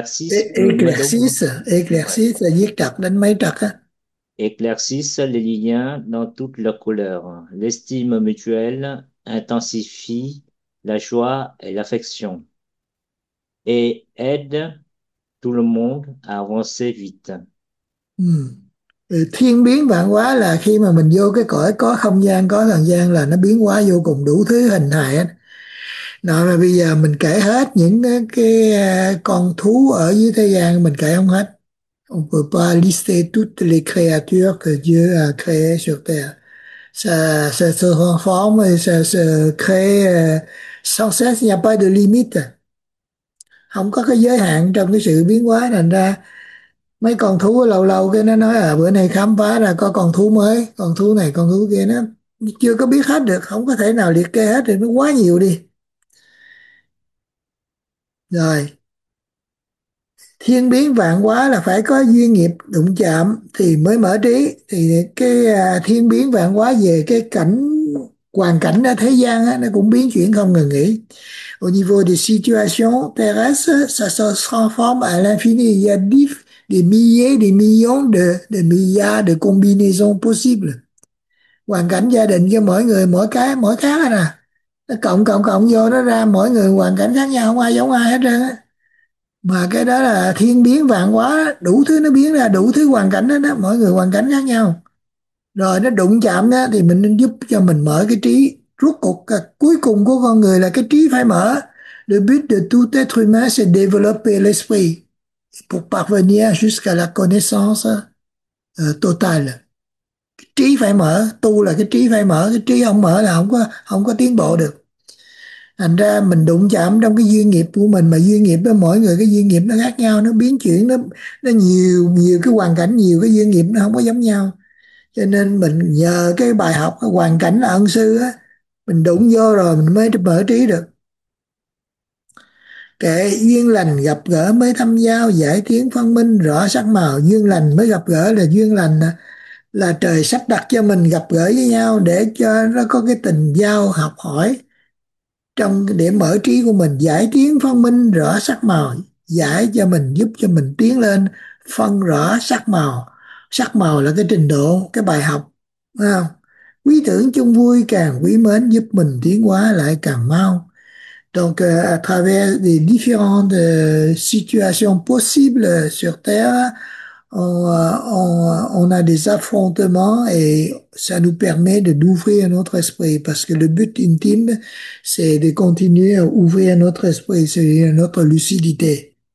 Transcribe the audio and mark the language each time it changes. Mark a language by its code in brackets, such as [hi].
[fr] Éclaircissent, c'est-à-dire tape dans mes tracts. éclaircissent les liens dans toutes leurs couleurs. L'estime mutuelle intensifie la joie et l'affection et aide tout le monde à avancer vite. [vi] Thiên biến vạn hóa là khi mà mình vô cái cõi có không gian, có thời gian là nó biến hóa vô cùng đủ thứ hình hài hết. Đó là bây giờ mình kể hết những cái con thú ở dưới thế gian mình kể không hết. [fr] On peut pas lister toutes les créatures que Dieu a créées sur terre. Ça se renforme et ça se crée sans cesse, il n'y a pas de limite. [vi] Không có cái giới hạn trong cái sự biến hóa, thành ra mấy con thú lâu lâu cái nó nói à bữa nay khám phá ra có con thú mới, con thú này con thú kia, nó chưa có biết hết được, không có thể nào liệt kê hết được, nó quá nhiều đi. Rồi, thiên biến vạn hóa là phải có duyên nghiệp đụng chạm thì mới mở trí. Thì cái thiên biến vạn hóa về cái cảnh hoàn cảnh ở thế gian á, nó cũng biến chuyển không ngừng nghỉ. [fr] Au niveau des situations terrestres, ça se transforme à l'infini, il y a des milliers, des millions de milliards de combinaisons possibles. [vi] Hoàn cảnh gia đình cho mỗi người, mỗi khác nè. Nó cộng cộng cộng vô nó ra mỗi người hoàn cảnh khác nhau, không ai giống ai hết trơn á. Mà cái đó là thiên biến vạn hóa, đủ thứ nó biến ra, đủ thứ hoàn cảnh đó, mỗi người hoàn cảnh khác nhau. Rồi nó đụng chạm đó, thì mình nên giúp cho mình mở cái trí. Rốt cuộc cuối cùng của con người là cái trí phải mở. [fr] Le but de tout être humain, c'est développer l'esprit pour parvenir jusqu'à la connaissance totale. [vi] Trí phải mở, tu là cái trí phải mở, cái trí không mở là không có tiến bộ được. Thành ra mình đụng chạm trong cái duyên nghiệp của mình, mà duyên nghiệp với mỗi người cái duyên nghiệp nó khác nhau, nó biến chuyển, nó nhiều nhiều cái hoàn cảnh, nhiều cái duyên nghiệp nó không có giống nhau. Cho nên mình nhờ cái bài học cái hoàn cảnh là ân sư á, mình đụng vô rồi mình mới mở trí được. Kệ duyên lành gặp gỡ mới thâm giao, giải tiến phân minh rõ sắc màu. Duyên lành mới gặp gỡ là duyên lành là trời sắp đặt cho mình gặp gỡ với nhau để cho nó có cái tình giao học hỏi. trong để mở trí của mình, giải kiến phân minh rõ sắc màu, giải cho mình, giúp cho mình tiến lên phân rõ sắc màu. Sắc màu là cái trình độ, cái bài học, phải không? Quý tưởng chung vui càng quý mến, giúp mình tiến hóa lại càng mau. [fr] Donc, à travers les différentes situations possibles sur Terre, on a des affrontements et ça nous permet de d'ouvrir notre esprit, parce que le but ultime, c'est de continuer à ouvrir notre esprit, c'est notre lucidité.